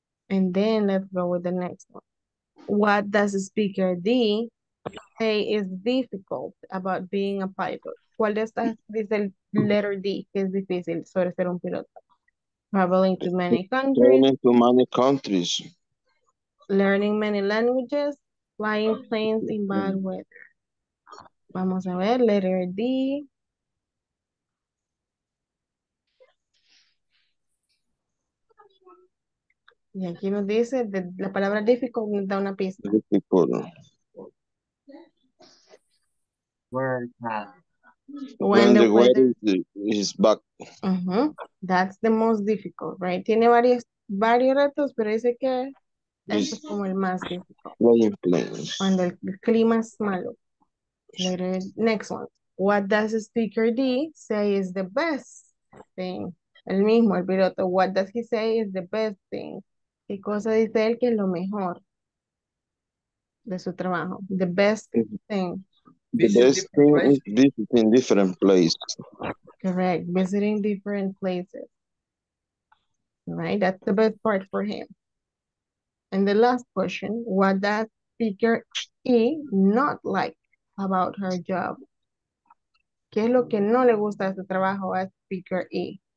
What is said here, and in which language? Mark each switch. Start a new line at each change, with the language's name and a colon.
English: And then let's go with the next one. What does speaker D say is difficult about being a pilot?
Spanish: ¿Cuál de estas dice el letter D que es difícil sobre ser un piloto?
English: Traveling to many countries. Learning many languages, flying planes in bad weather.
Spanish: Vamos a ver, letter D. Y aquí nos dice, la palabra difficult nos da una pista.
English: Difficult. When the weather is bad. Uh-huh. That's the most difficult, right?
Spanish: Tiene varios retos, pero dice que es como el más difficult. Cuando el clima es malo.
English: Next one. What does speaker D say is the best thing
Spanish: El mismo, el piloto.
English: What does he say is the best thing?
Spanish: ¿Qué cosa dice él que es lo mejor de su trabajo?
English: The best thing. The best thing is visiting different places. Correct. Visiting different places. Right? That's the best part for him. And the last question, what does speaker E not like about her job?
Spanish: ¿Qué es lo que no le gusta de su trabajo a speaker E?